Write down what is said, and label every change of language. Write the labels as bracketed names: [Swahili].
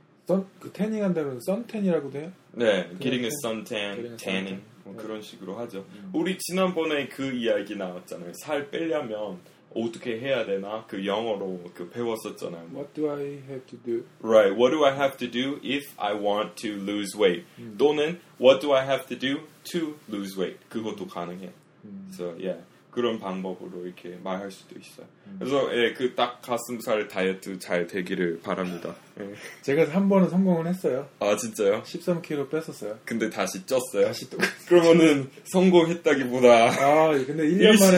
[Korean] 선, 그 태닝 한다면 선텐이라고도 해요? 네, [English] getting a suntan, tanning [Korean] 뭐 네. 그런 식으로 하죠. 우리 지난번에 그 이야기 나왔잖아요. 살 빼려면 어떻게 해야 되나 그 영어로 그 배웠었잖아요. [English] What do I have to do? Right, what do I have to do if I want to lose weight? 또는 what do I have to do to lose weight? [Korean] 그것도 가능해. [English] So yeah, [Korean] 그런 방법으로 이렇게 말할 수도 있어요. 그래서 예, 그 딱 가슴살 다이어트 잘 되기를 바랍니다. 제가 한 번은 성공을 했어요. 아 진짜요? 13kg 뺐었어요. 근데 다시 쪘어요? 다시 또. 그러면은 성공했다기보다 아 근데 1년 만에